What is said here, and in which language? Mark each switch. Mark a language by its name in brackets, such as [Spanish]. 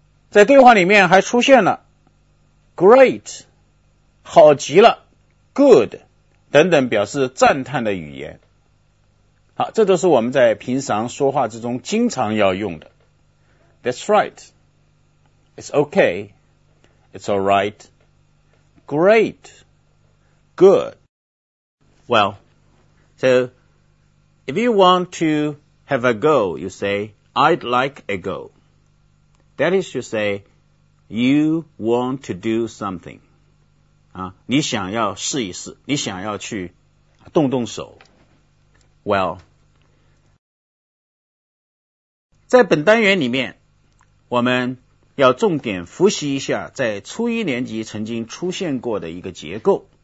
[Chinese] 在对话里面还出现了 great, 好极了 good, 等等表示赞叹的语言。好，这都是我们在平常说话之中经常要用的。 [English] That's right, it's okay, it's alright, great,Good. Well, so if you want to have a go, you say, I'd like a go. That is to say, you want to do something. [Chinese] 你想要试一试，你想要去动动手。 [English] Well, [Chinese] 在本单元里面，我们要重点复习一下在初一年级曾经出现过的一个结构。